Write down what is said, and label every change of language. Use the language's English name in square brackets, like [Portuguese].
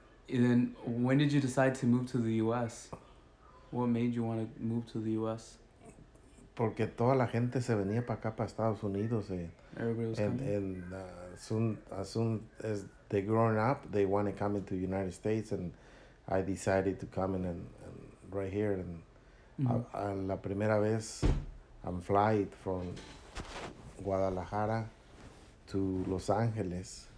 [English] And then when did you decide to move to the U.S.? What made you want to move to the U.S.? [Spanish] Porque toda la gente se venía para acá, para Estados Unidos. [English] As soon as they grown up, they want to come into the United States, and I decided to come in and right here. And mm-hmm. La primera vez, I'm flying from Guadalajara to Los Angeles,